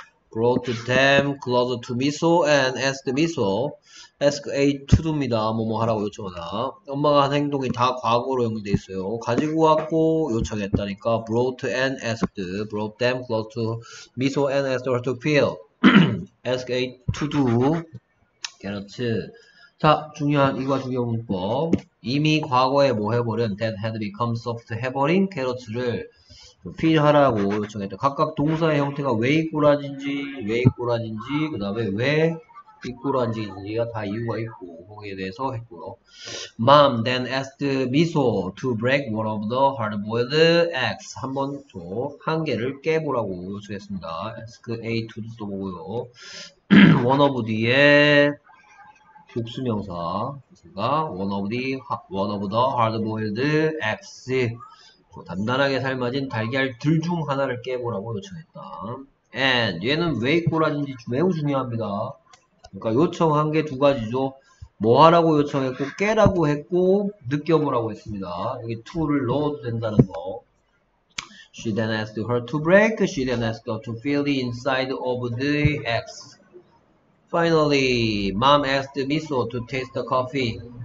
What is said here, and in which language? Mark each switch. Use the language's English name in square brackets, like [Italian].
[English] Brought them closer to Miso and asked Miso. Ask A to do [Korean] 입니다. 뭐뭐 하라고 요청하다. 엄마가 한 행동이 다 과거로 연결돼 있어요. 가지고 왔고 요청했다니까. [English] Brought and asked. Brought them close to Miso and asked her to feel. Ask A to do. [Korean] 그렇지. 자, 중요한 이과 중요 문법. 이미 과거에 뭐 해버린 [English] that had become soft [Korean] 해버린 캐러츠를 필하라고 요청했다. 각각 동사의 형태가 왜 이꼬라진지 그 다음에 왜 이꼬라진지가 다 이유가 있고 거기에 대해서 했고요. [English] Mom then asked Miso to break one of the hard-boiled eggs. [Korean] 한번 또 한 개를 깨보라고 요청했습니다. [English] Ask A to do [Korean] 또 보고요. [English] One of the 복수명사 one of the hard-boiled eggs. [Korean] 단단하게 삶아진 달걀들 중 하나를 깨보라고 요청했다. And 얘는 왜 꼬라진지 매우 중요합니다. 그러니까 요청한 게 두 가지죠. 뭐 하라고 요청했고 깨라고 했고 느껴보라고 했습니다. 여기 to를 넣어도 된다는 거. [English] She then asked her to break. She then asked her to feel the inside of the eggs. Finally, mom asked Miso to taste the coffee.